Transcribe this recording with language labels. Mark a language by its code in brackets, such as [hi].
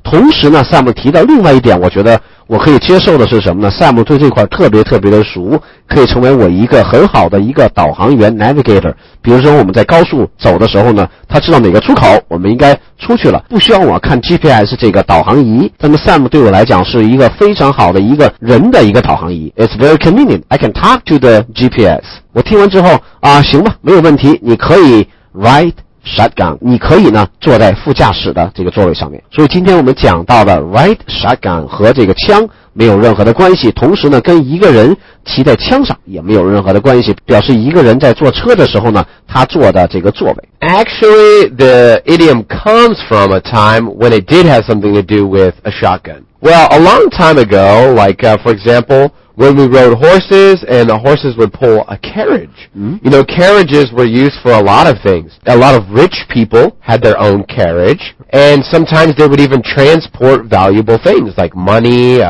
[zh] 同时呢 Sam 提到另外一点我觉得我可以接受的是什么呢， Sam 对这块特别特别的熟，可以成为我一个很好的一个导航员 navigator, 比如说我们在高速走的时候呢他知道哪个出口我们应该出去了，不需要我看 GPS 这个导航仪。那么 Sam 对我来讲是一个非常好的一个人的一个导航仪。 [en] It's very convenient, I can talk to the GPS. [zh] 我听完之后啊，行吧，没有问题，你可以 ride shotgun, 你可以呢坐在副驾驶的这个座位上面。所以今天我们讲到的 ride shotgun 和这个枪没有任何的关系，同时呢跟一个人骑在枪上也没有任何的关系，表示一个人在坐车的时候呢他坐的这个座位。 [en] Actually, the idiom comes from a time when it did have something to do with a shotgun. Well, a long time ago, like, for example, when we rode horses and the horses would pull a carriage. Mm-hmm. You know, carriages were used for a lot of things. A lot of rich people had their own carriage, and sometimes they would even transport valuable things like money,